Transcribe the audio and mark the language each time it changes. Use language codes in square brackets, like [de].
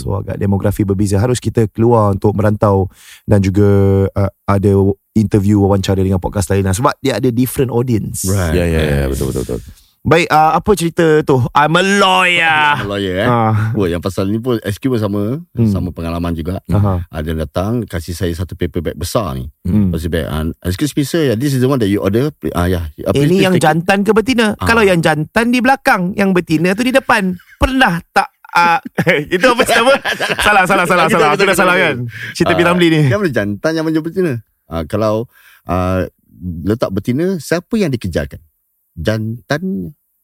[ms] So agak demografi berbeza. Harus kita keluar untuk merantau dan juga ada interview wawancara dengan podcast lain sebab dia ada [en] different audience. Right. [ms] Ya, betul. Baik, apa cerita tu? [en] I'm a lawyer. [ms] Wah, yang pasal ni pun SQ pun sama. Sama pengalaman juga. Ada datang, kasih saya satu paper bag besar ni. [en] Excuse me sir, this is the one that you order. [ms] Ini yang jantan ke betina? Kalau yang jantan di belakang, yang betina tu di depan. Pernah tak? itu apa cerita? Salah. Aku dah salah kan? Cerita Piramli ni. Yang mana jantan, yang mana betina? Kalau letak betina, siapa yang dikejarkan? Jantan.